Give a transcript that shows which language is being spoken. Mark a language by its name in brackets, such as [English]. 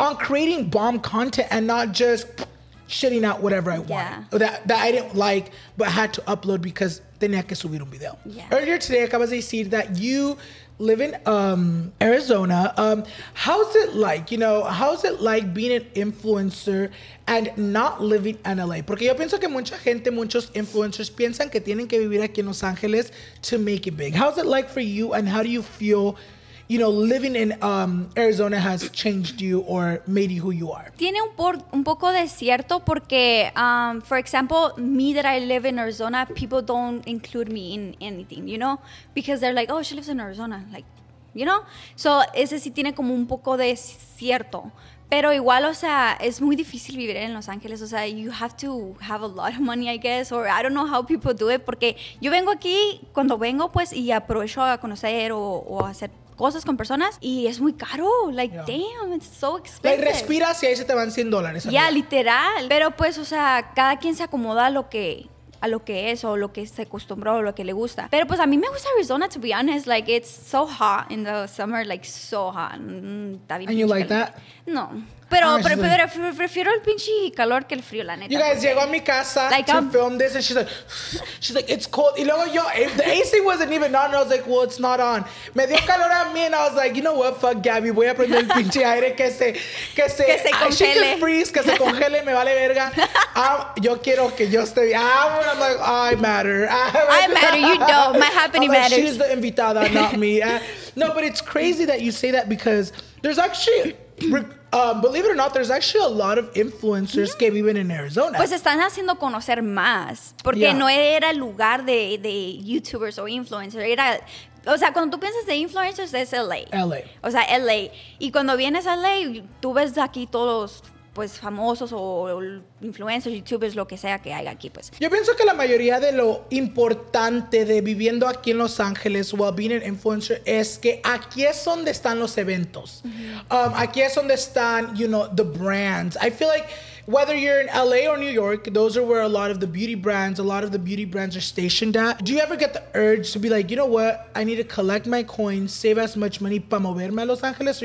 [English] On creating bomb content and not just shitting out whatever I want that I didn't like but had to upload because [Spanish] tenía que subir un video. [English] Yeah. Earlier today, [Spanish] acabas de decir [English] that you live in Arizona. How's it like, you know, how's it like being an influencer and not living in LA? [Spanish] Porque yo pienso que mucha gente, muchos influencers piensan que tienen que vivir aquí en Los Ángeles [English] to make it big. How's it like for you and how do you feel, you know, living in Arizona has changed you or made you who you are? [Spanish] Tiene un poco de cierto porque, [English] for example, me that I live in Arizona, people don't include me in anything, you know? Because they're like, oh, she lives in Arizona, like, you know? [Spanish] So, ese sí tiene como un poco de cierto. Pero igual, o sea, es muy difícil vivir en Los Ángeles. O sea, [English] you have to have a lot of money, I guess. Or I don't know how people do it. [Spanish] Porque yo vengo aquí, cuando vengo, pues, y aprovecho a conocer o hacer cosas con personas y es muy caro, [English] like damn, it's so expensive. [Spanish] Like, respiras y ahí se te van $100. Ya, literal. Pero pues, o sea, cada quien se acomoda a lo que es o lo que se acostumbró o lo que le gusta. Pero pues a mí me gusta [English] Arizona, to be honest, like it's so hot in the summer, like so hot. And you like that? [Spanish] No. Pero prefiero el pinche calor que el frío, la neta. [English] You guys, [Spanish] llego a mi casa [English] like, to film this and she's like, it's cold. [Spanish] Y luego yo, [English] the AC wasn't even on. And I was like, well, it's not on. [Spanish] Me dio calor a mí [English] and I was like, you know what, fuck Gabby, [Spanish] voy a prender el pinche aire que se congele. [English] I can freeze, [Spanish] que se congele, me vale verga. Yo quiero que yo esté bien. [English] I'm like, I matter. I matter, you don't. My happening like, matters. She's the invitada, not me. No, but it's crazy that you say that because there's actually... believe it or not, there's actually a lot of influencers [Spanish] que viven [English] in Arizona. [Spanish] Pues están haciendo conocer más. Porque no era el lugar de YouTubers o influencers. Era O sea, cuando tú piensas de influencers, es LA. LA. O sea, LA. Y cuando vienes a LA, tú ves aquí todos, pues, famosos o influencers, youtubers, lo que sea que haya aquí, pues. Yo pienso que la mayoría de lo importante de viviendo aquí en Los Ángeles, [English] while being an influencer, [Spanish] es que aquí es donde están los eventos. Mm-hmm. Aquí es donde están, [English] you know, the brands. I feel like whether you're in LA or New York, those are where a lot of the beauty brands are stationed at. Do you ever get the urge to be like, you know what, I need to collect my coins, save as much money [Spanish] para moverme a Los Ángeles?